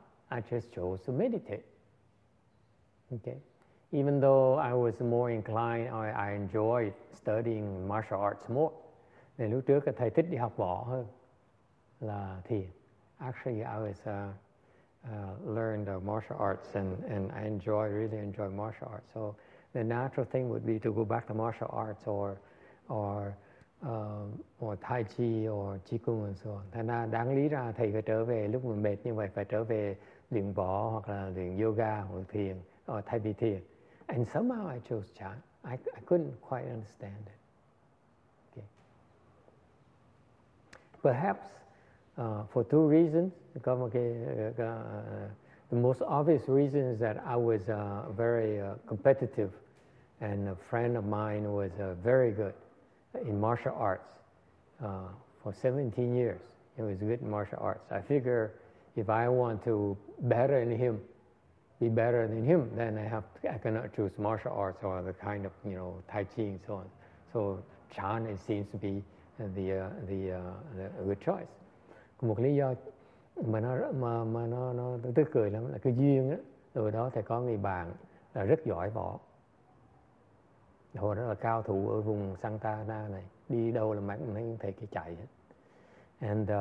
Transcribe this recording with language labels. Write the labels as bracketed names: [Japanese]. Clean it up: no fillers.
[English] I just chose to meditate. Okay. Even though I was more inclined, I enjoyed studying martial arts more. [Vietnamese] Nên lúc trước thầy thích đi học võ hơn là thiền. [English] Actually, I was learned martial arts and I really enjoy martial arts. So the natural thing would be to go back to martial arts or tai chi or qigong and so on. [Vietnamese] Thành ra đáng lý ra thầy phải trở về lúc mình mệt như vậy phải trở về luyện võ hoặc là luyện yoga hoặc thiền or thay vì thiền. [English] And somehow I chose Chan. I couldn't quite understand it. Perhaps For two reasons. The most obvious reason is that I was very competitive, and a friend of mine was very good in martial arts for 17 years. He was good in martial arts. I figure if I want to be better than him, then I cannot choose martial arts or the kind of, you know, Tai Chi and so on. So Chan seems to be the good choice. [Vietnamese] Một lý do mà nó tức cười lắm là cái duyên á. Từ đó thầy có người bạn là rất giỏi võ, hồi đó là cao thủ ở vùng Santa Ana này, đi đâu là mấy thấy thầy cái chạy hết.